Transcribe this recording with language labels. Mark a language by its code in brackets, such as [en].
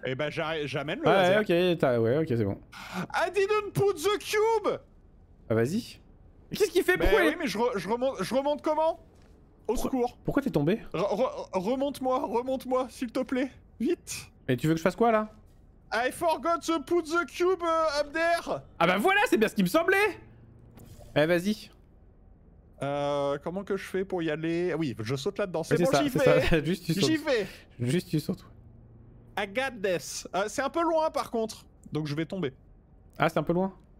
[fr] Eh bah j'amène le ah, laser. Ouais, ok, t'as... ouais, ok, c'est bon. [en] I didn't put the cube. [fr] Ah vas-y. Mais qu'est-ce qu'il fait? Pourquoi bah, oui, mais je remonte comment? Au secours. Pourquoi t'es tombé? Remonte-moi, s'il te plaît. Vite. Et tu veux que je fasse quoi là? [en] I forgot to put the cube up there. [fr] Ah bah voilà, c'est bien ce qui me semblait. Eh vas-y. Comment que je fais pour y aller? Oui, je saute là-dedans, c'est bon, ça, j'y c'est vais ça. Juste, tu sautes. J'y vais. Juste, tu sautes. [en] I got this. [fr] C'est un peu loin par contre, donc je vais tomber. Ah, c'est un peu loin.